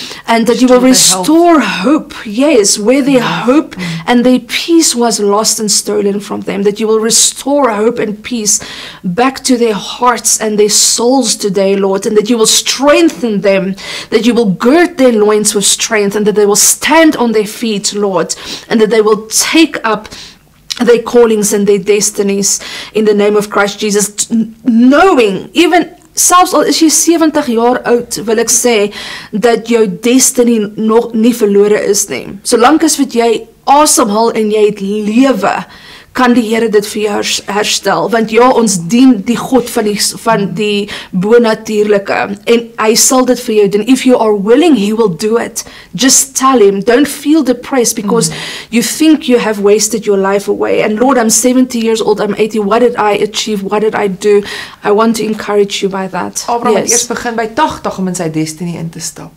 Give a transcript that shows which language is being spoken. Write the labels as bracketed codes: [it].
[en] and that you will restore hope, yes, where their hope and their peace was lost and stolen from them, that you will restore hope and peace back to their hearts and their souls today, Lord, and that you will strengthen them, that you will gird their loins with strength, and that they will stand on their feet, Lord, and that they will take up their callings and their destinies in the name of Christ Jesus, knowing, even [af] selfs al is jy 70 jaar oud, wil ek sê dat jou destiny nog nie verlore is nie. Solank as wat jy asemhal en jy het lewe, kan die Here dit vir jou herstel, want ja, ons dien die God van die bonatuurlike, en hy sal dit vir jou doen. [en] If you are willing, he will do it. Just tell him, don't feel depressed because you think you have wasted your life away. And Lord, I'm 70 years old, I'm 80, what did I achieve, what did I do? I want to encourage you by that. [af] Abraham het eerst begin by 80 om in sy destiny in te stap.